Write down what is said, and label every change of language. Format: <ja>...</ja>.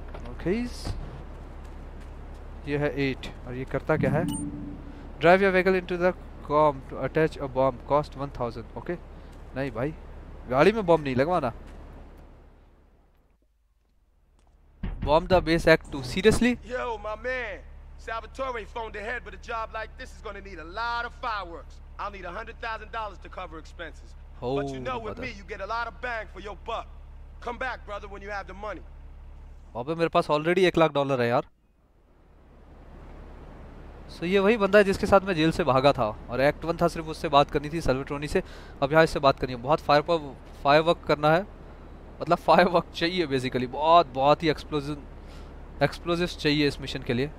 <hi>Okay, ये है 8 और ये करता क्या है,</hi> <en>Drive your vehicle into the com to attach a bomb cost 1000।</en> <hi>Okay नहीं भाई, गाड़ी में बॉम्ब नहीं लगवाना।</hi> <en>Bomb the base act 2, seriously? Yo my man, Salvatore phoned ahead, but a job like this is going to need a lot of fireworks. I'll need $100,000 to cover expenses. Oh, but you know with me, you get a lot of bang for your buck. Come back, brother, when you have the money.</en> <hi>बाबे मेरे पास already $1,00,000 है यार। सो ये वही बंदा है जिसके साथ मैं जेल से भागा था, और एक्ट वन था सिर्फ उससे बात करनी थी, सेल्वेट्रोनी से। अब यहाँ इससे बात करनी है, बहुत फायर पर फायर वर्क करना है, मतलब फायर वर्क चाहिए बेसिकली, बहुत बहुत ही एक्सप्लोजिव चाहिए इस मिशन के लिए।</hi>